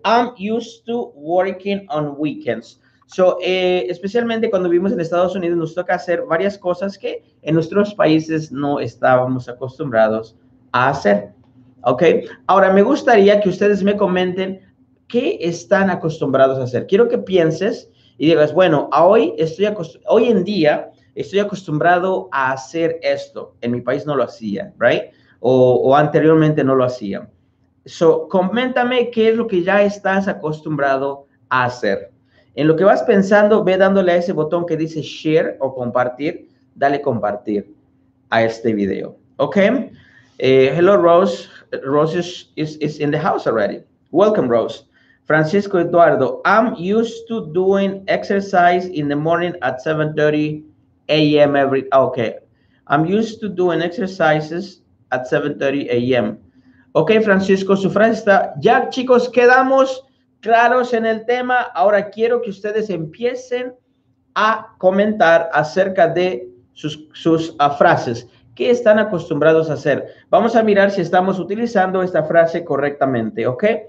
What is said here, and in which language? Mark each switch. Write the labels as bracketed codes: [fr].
[en] I'm used to working on weekends. [es] So, especialmente cuando vivimos en Estados Unidos, nos toca hacer varias cosas que en nuestros países no estábamos acostumbrados a hacer. ¿Ok? Ahora, me gustaría que ustedes me comenten qué están acostumbrados a hacer. Quiero que pienses y digas, bueno, hoy en día estoy acostumbrado a hacer esto. En mi país no lo hacía, ¿right? O anteriormente no lo hacía. So, coméntame qué es lo que ya estás acostumbrado a hacer. En lo que vas pensando, ve dándole a ese botón que dice share o compartir. Dale compartir a este video. ¿Ok? [en] Hello, Rose. Rose is in the house already. Welcome, Rose. Francisco Eduardo, I'm used to doing exercise in the morning at 7:30 a.m. Okay. I'm used to doing exercises at 7:30 a.m. [es] Okay, Francisco, su frase está. Ya, chicos, quedamos claros en el tema. Ahora quiero que ustedes empiecen a comentar acerca de sus frases. ¿Qué están acostumbrados a hacer? Vamos a mirar si estamos utilizando esta frase correctamente, ¿ok?